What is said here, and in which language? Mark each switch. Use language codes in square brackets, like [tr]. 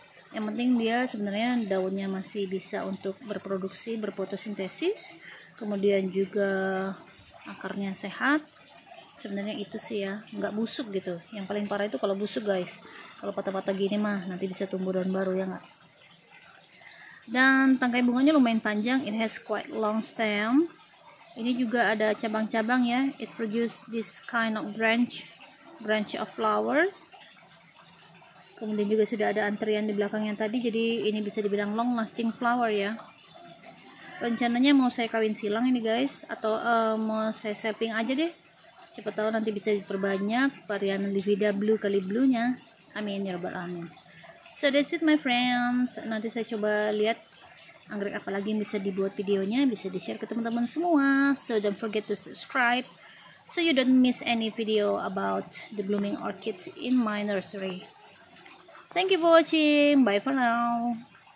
[id] Yang penting dia sebenarnya daunnya masih bisa untuk berproduksi, berfotosintesis, kemudian juga akarnya sehat. Sebenarnya itu sih ya, nggak busuk gitu. Yang paling parah itu kalau busuk guys. Kalau patah-patah gini mah nanti bisa tumbuh daun baru ya nggak. Dan tangkai bunganya lumayan panjang. [en] It has quite long stem. [id] Ini juga ada cabang-cabang ya. [en] It produces this kind of branch of flowers. [id] Kemudian juga sudah ada antrian di belakang yang tadi, jadi ini bisa dibilang [en] long lasting flower [id] ya. Rencananya mau saya kawin silang ini guys, atau mau saya saving aja deh. Siapa tahu nanti bisa diperbanyak varian Livida Blue kali Blue-nya. Amin ya rabbal alamin. [en] So that's it my friends. [id] Nanti saya coba lihat anggrek apa lagi yang bisa dibuat videonya, bisa di-share ke teman-teman semua. [en] So don't forget to subscribe so you don't miss any video about the blooming orchids in my nursery. Thank you for watching. Bye for now.